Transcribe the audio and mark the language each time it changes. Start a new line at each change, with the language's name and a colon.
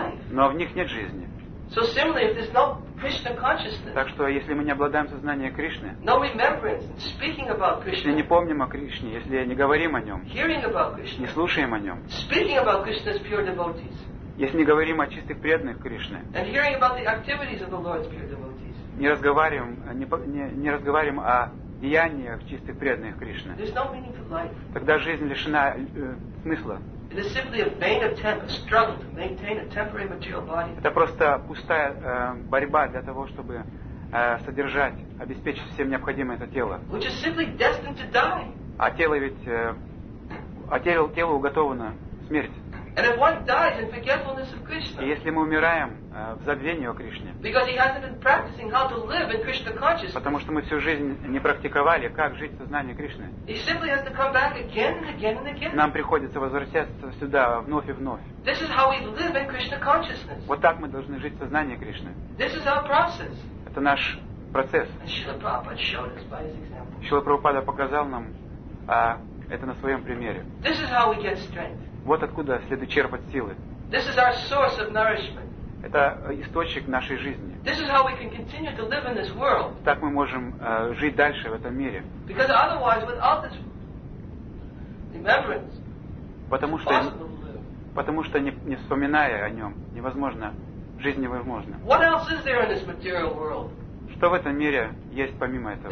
Russian: Но в них нет жизни.
English: So similarly, if there's no Krishna consciousness,
Russian: так что если мы не обладаем сознанием Кришны,
English: no remembrance, speaking about Krishna,
Russian: если не помним о Кришне, если не говорим о нем,
English: hearing about Krishna,
Russian: не слушаем о нем,
English: speaking about Krishna's pure devotees,
Russian: если не говорим о чистых преданных Кришны,
English: and hearing about the activities of the Lord's pure devotees,
Russian: не разговариваем о деяниях чистых преданных Кришны,
English: there's no meaning to life.
Russian: Тогда жизнь лишена смысла.
English: It is simply a vain attempt, a struggle to maintain a temporary material body.
Russian: Это просто пустая борьба для того, чтобы содержать, обеспечить всем необходимое это тело.
English: Which is simply destined to die.
Russian: А телу уготовано смерть.
English: And if one dies in forgetfulness of Krishna.
Russian: И если мы умираем в забвении о Кришне.
English: Because he hasn't been practicing how to live in Krishna consciousness.
Russian: Потому что мы всю жизнь не практиковали, как жить в сознании Кришны.
English: He simply has to come back again and again and again.
Russian: Нам приходится возвращаться сюда вновь и вновь.
English: This is how we live in Krishna consciousness.
Russian: Вот так мы должны жить в сознании Кришны.
English: This is our process.
Russian: Это наш процесс.
English: Шрила Прабхупада showed us by his example.
Russian: Шрила Прабхупада показал нам это на своем примере.
English: This is how we get strength.
Russian: Вот откуда следует черпать силы.
English: This is our source of nourishment.
Russian: Это источник нашей жизни.
English: This is how we can continue to live in this world.
Russian: Так мы можем жить дальше в этом мире.
English: Because otherwise, without this remembrance,
Russian: потому что не вспоминая о нем, невозможно, жизнь невозможна.
English: What else is there in this material world?
Russian: Что в этом мире есть помимо этого?